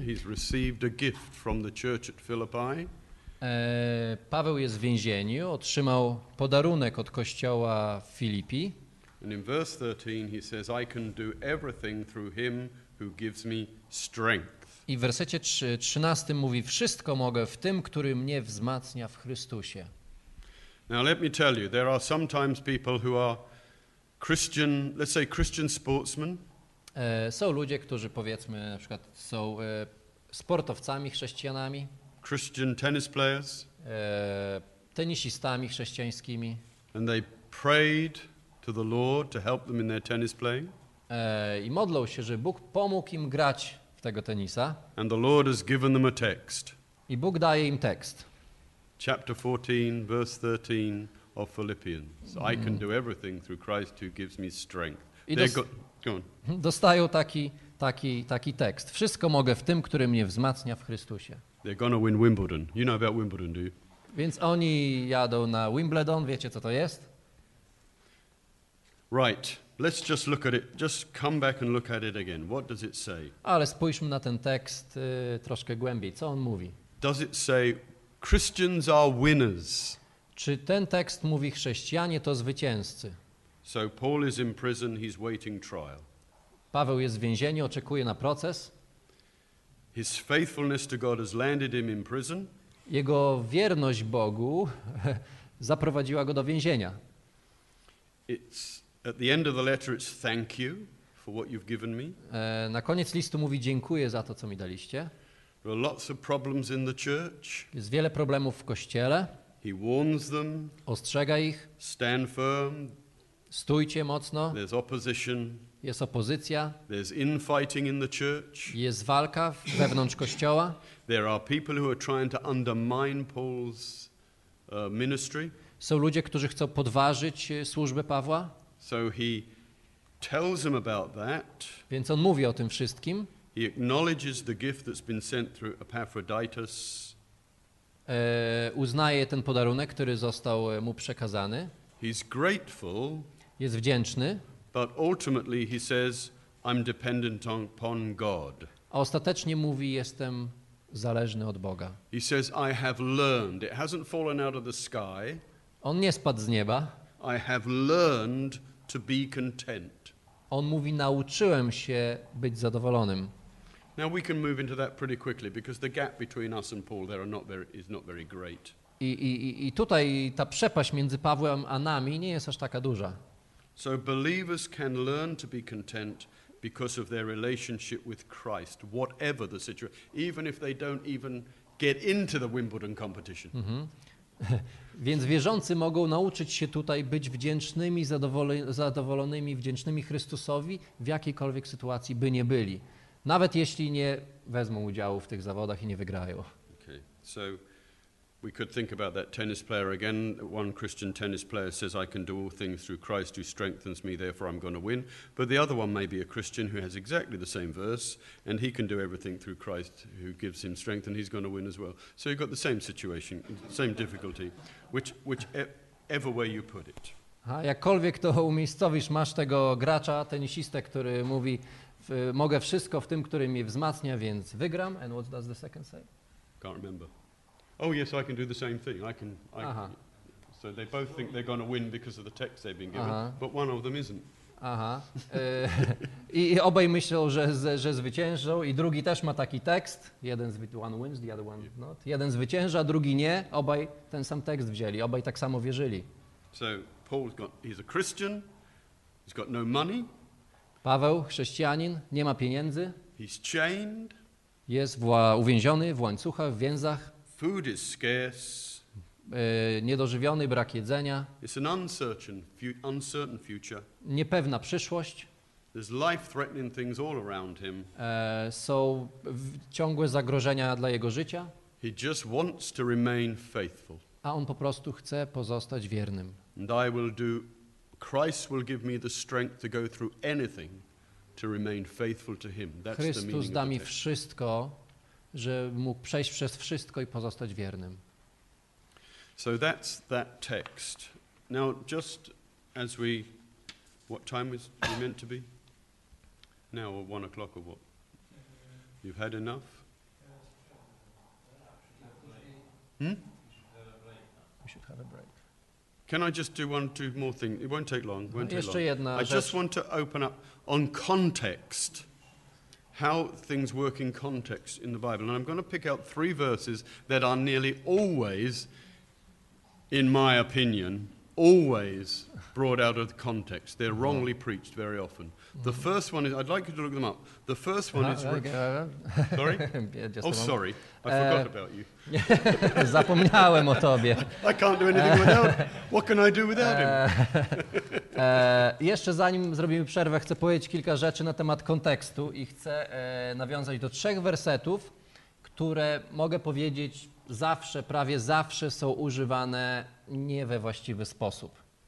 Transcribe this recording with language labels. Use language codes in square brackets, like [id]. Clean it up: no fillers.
[en] He's received a gift from the church at Philippi. [pl] Paweł jest w więzieniu, otrzymał podarunek od kościoła w Filipii. [en] And in verse 13 he says, I can do everything through him who gives me strength. [pl] I w wersecie 13 mówi, wszystko mogę w tym, który mnie wzmacnia w Chrystusie. [en] Now let me tell you, there are sometimes people who are Christian, let's say Christian sportsmen. [pl] Są ludzie, którzy powiedzmy na przykład są sportowcami chrześcijanami. [en] Christian tennis players. [pl] Tenisistami chrześcijańskimi. [en] And they prayed to the Lord to help them in their tennis playing. [pl] I modlą się, że Bóg pomógł im grać w tego tenisa. [en] And the Lord has given them a text. [pl] I Bóg daje im tekst. [en] Chapter 14, verse 13 of Philippians. I can do everything through Christ who gives me strength. [pl] Dostają taki tekst. Wszystko mogę w tym, który mnie wzmacnia w Chrystusie. [en] They're gonna win Wimbledon. You know about Wimbledon, do you? [pl] Więc oni jadą na Wimbledon. Wiecie, co to jest? [en] Right. Let's just look at it. Just come back and look at it again. What does it say? [pl] Ale spójrzmy na ten tekst troszkę głębiej. Co on mówi? [en] Does it say Christians are winners? [pl] Czy ten tekst mówi chrześcijanie to zwycięzcy? [en] So Paul is in prison, he's waiting trial. [pl] Paweł jest w więzieniu, oczekuje na proces. [en] His faithfulness to God has landed him in prison. [pl] Jego wierność Bogu zaprowadziła go do więzienia. [en] At the end of the letter it's thank you for what you've given me. [pl] Na koniec listu mówi dziękuję za to, co mi daliście. [en] There are lots of problems in the church. [pl] Jest wiele problemów w kościele. [en] He warns them. [pl] Ostrzega ich. [en] Stand firm. [pl] Stójcie mocno. [en] There's opposition. [pl] Jest opozycja. [en] There's infighting in the church. [pl] Jest walka wewnątrz kościoła. [en] There are people who are trying to undermine Paul's ministry. [pl] Są ludzie, którzy chcą podważyć służbę Pawła. [en] So he tells them about that. [pl] Więc on mówi o tym wszystkim. [en] He acknowledges the gift that's been sent through Epaphroditus. [pl] Uznaje ten podarunek, który został mu przekazany. [en] He's grateful. [pl] Jest wdzięczny. [en] But ultimately he says, I'm dependent upon God. [pl] A ostatecznie mówi, jestem zależny od Boga. [en] He says, I have learned. It hasn't fallen out of the sky. [pl] On nie spadł z nieba. [en] I have learned to be content. [pl] On mówi, nauczyłem się być zadowolonym. [en] Now we can move into that pretty quickly because the gap between us and Paul there are not very, is not very great. [pl] I tutaj ta przepaść między Pawłem a nami nie jest aż taka duża. [en] So believers can learn to be content because of their relationship with Christ, whatever the situation, even if they don't even get into the Wimbledon competition. Mm-hmm. [pl] Więc wierzący mogą nauczyć się tutaj być wdzięcznymi, zadowolonymi, wdzięcznymi Chrystusowi w jakiejkolwiek sytuacji by nie byli. Nawet jeśli nie wezmą udziału w tych zawodach i nie wygrają. [en] Okay. So we could think about that tennis player again. One Christian tennis player says, I can do all things through Christ who strengthens me, therefore I'm going to win. But the other one may be a Christian who has exactly the same verse, and he can do everything through Christ who gives him strength, and he's going to win as well. So you've got the same situation, same difficulty, whichever way you put it. A jakkolwiek to umiejscowisz, masz tego gracza, tenisistę, który mówi, mogę wszystko w tym, który mnie wzmacnia, więc wygram. And what does the second say? Can't remember. Oh yes, I can do the same thing. I can. Aha. So they both think they're going to win because of the text they've been given, aha, but one of them isn't. Aha. [pl] I obaj myślą, że zwyciężą i drugi też ma taki tekst. [en] One wins, the other one not. [pl] Jeden zwycięża, drugi nie. Obaj ten sam tekst wzięli. Obaj tak samo wierzyli. [en] So Paul's got, he's a Christian. He's got no money. [pl] Paweł, chrześcijanin, nie ma pieniędzy. [en] He's chained. [pl] Jest uwięziony w łańcuchach, w więzach. [en] Food is scarce. [pl] Niedożywiony, brak jedzenia. [en] It's an uncertain future. [pl] Niepewna przyszłość. [en] There's life-threatening things all around him. [pl] Są ciągłe zagrożenia dla jego życia. [en] He just wants to remain faithful. [pl] A on po prostu chce pozostać wiernym. [en] And I will do. Christ will give me the strength to go through anything to remain faithful to him. That's [pl] Chrystus [en] the meaning [pl] da mi wszystko, że mógł przejść przez wszystko i pozostać wiernym. [en] So that's that text. Now just as we, what time is we meant to be? Now or 1 o'clock or what? You've had enough? We should have a break. Can I just do one, two more thing? It won't take long. [pl] Jedna rzecz. [en] I just want to open up on context. How things work in context in the Bible. And I'm going to pick out 3 verses that are nearly always, in my opinion, always brought out of the context. They're wrongly preached very often. The first one is, I'd like you to look them up. The first one is... sorry? Yeah, oh, sorry. I forgot about you. [pl] Zapomniałem o tobie. [en] I can't do anything without him. What can I do without him? [pl] Jeszcze zanim zrobimy przerwę, chcę powiedzieć kilka rzeczy na temat kontekstu i chcę nawiązać do 3 wersetów, które mogę powiedzieć zawsze, prawie zawsze są używane nie we właściwy sposób.